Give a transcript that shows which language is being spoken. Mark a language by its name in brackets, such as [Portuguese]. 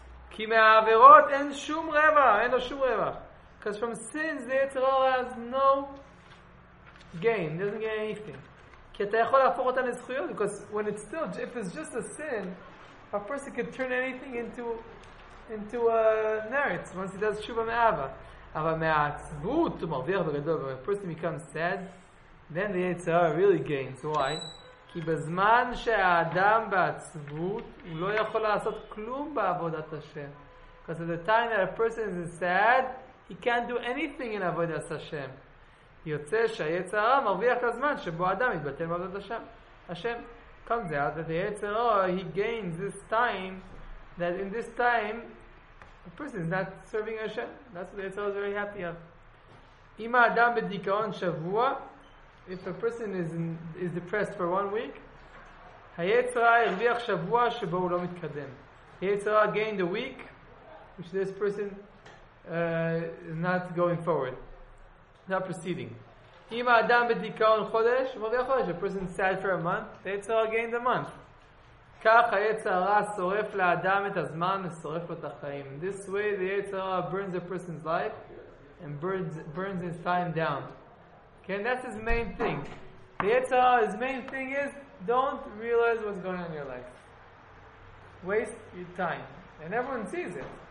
[Hebrew] כי מהעבירות אין שום רווח. אין לו שום רווח. [English] Because from sins the יצר הרע has no gain. It doesn't gain anything. [Hebrew] כי אתה יכול להפוך אותן לזכויות. [English] Because when it's still, if it's just a sin, a person could turn anything into a merit. Once he does תשובה מאהבה. [Hebrew] אבל מהעצבות הוא מרוויח בגדול. [English] When a person becomes sad, then the יצר הרע really gains. Why? [Hebrew] כי בזמן שהאדם בעצבות, הוא לא יכול לעשות כלום בעבודת השם. [English] Because at the time that a person is sad, he can't do anything in עבודת השם. [Hebrew] יוצא שהיצר הרע מרוויח לזמן שבו האדם יתבטל בעבודת השם. [English] השם, comes out that the יצר הרע, he gains this time, that in this time, a person is not serving Hashem. That's what the יצר הרע is very happy of. [Hebrew] אם האדם בדיכאון שבוע, [English] if a person is depressed for 1 week, [Hebrew] היצרה הרוויח שבוע שבו הוא לא מתקדם. [English] היצרה gained a week, which this person is not going forward, not proceeding. [Hebrew] אם האדם בדיכאון חודש, הוא מרוויח חודש. [English] A person sad for a month, היצרה gained a month. [Hebrew] כך היצרה שורף לאדם את הזמן ושורף לו את החיים. [English] In this way, the היצרה burns a person's life and burns his time down. Okay, and that's his main thing. The Yetzer Hara, his main thing is, don't realize what's going on in your life. Waste your time. And everyone sees it.